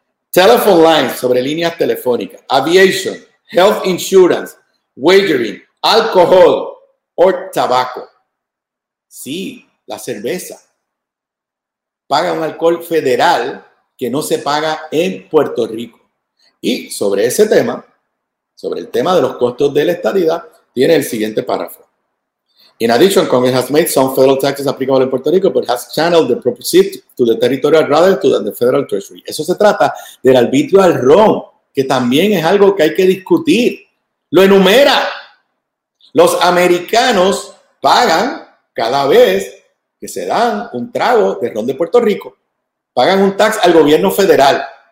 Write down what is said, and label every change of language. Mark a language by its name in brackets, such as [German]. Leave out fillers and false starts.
[Spanish] Telephone lines, sobre líneas telefónicas. Aviation, health insurance, wagering, alcohol o tabaco. Sí, la cerveza. Paga un alcohol federal que no se paga en Puerto Rico. Y sobre ese tema, sobre el tema de los costos de la estadidad, tiene el siguiente párrafo. [English] In addition, Congress has made some federal taxes applicable in Puerto Rico, but has channeled the proceeds to the territorial rather than the federal treasury. [Spanish] Eso se trata del arbitrio al RON, que también es algo que hay que discutir. Lo enumera. Los americanos pagan cada vez que se dan un trago de RON de Puerto Rico. Pagan un tax al gobierno federal.